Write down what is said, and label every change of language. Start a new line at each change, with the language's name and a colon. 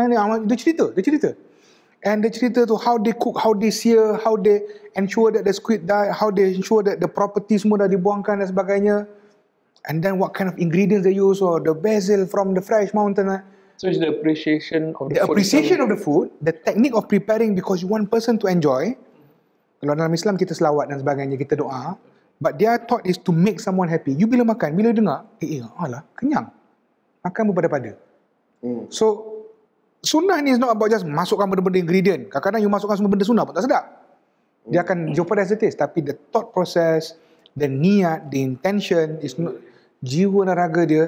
Malay: Dia cerita, dia cerita.
English: And
Malay: dia cerita tu,
English: how they cook, how they sear, how they ensure that the squid die, how they ensure that the property
Malay: semua dah dibuangkan dan sebagainya.
English: And then what kind of ingredients they use, or the basil from the fresh mountain. So it's the appreciation of the food. Appreciation of the food, the technique of preparing because you want person to enjoy.
Malay: Kalau dalam Islam kita selawat dan sebagainya, kita doa.
English: But their thought is to make someone happy.
Malay: You bila makan, bila dengar, alah, kenyang. Makan berpada-pada.
English: So, sunnah ni is not about just
Malay: masukkan benda-benda
English: ingredient.
Malay: Kadang-kadang you masukkan semua benda sunnah pun tak sedap. Dia akan
English: jeopardize the taste. Tapi the thought process, the niat, the intention, is not
Malay: jiwa dan raga dia.